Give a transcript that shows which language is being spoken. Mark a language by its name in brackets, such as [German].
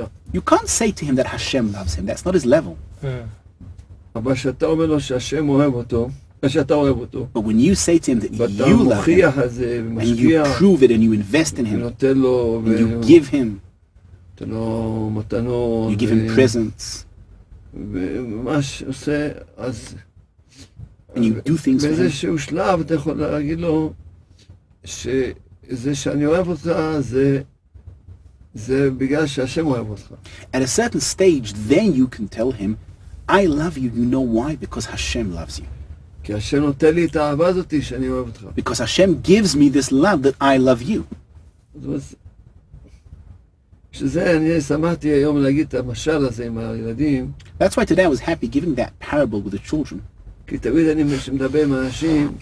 [English] You can't say to him that Hashem loves him. That's not his level. [Hebrew] אבל כשאתה אומר לו שהשם אוהב אותו, כשאתה אוהב אותו, [English] but when you say to him that you love him, and you prove it and you invest in him, [Hebrew] ונותן לו, [English] and you give him, [Hebrew] נותן לו מתנות, [English] you give him presents, [Hebrew] וממש עושה, אז, [English] and you do things for him, [Hebrew] באיזשהו שלב אתה יכול להגיד לו שזה שאני אוהב אותך זה בגלל שהשם אוהב אותך. [English] At a certain stage, then you can tell him, I love you, you know why? Because Hashem loves you. [Hebrew] כי השם נותן לי את האהבה הזאת שאני אוהב אותך. [English] Because Hashem gives me this love that I love you. [Hebrew] שזה אני שמחתי היום להגיד את המשל הזה עם הילדים. [English] That's why today I was happy giving that parable with the children. [Hebrew] כי תמיד אני מדבר עם אנשים.